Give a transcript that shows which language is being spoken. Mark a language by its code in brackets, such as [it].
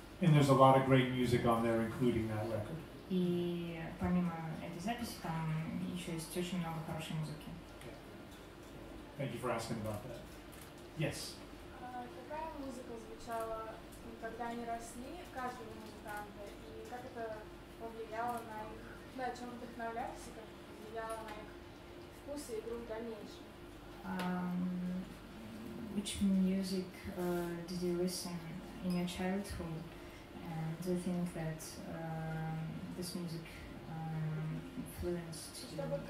[en] And there's a lot of great music on there, including that record. [ru] И помимо этой записи, там еще есть очень много хорошей музыки. [en] Thank you for asking about that. Yes. [ru] Какая музыка звучала, когда они росли, каждого музыканта, и как это повлияло на их, на чем вдохновлялись, и как повлияло на их вкус и игру в дальнейшем? [en] Which music did you listen in your childhood? And do you think that this music influenced you?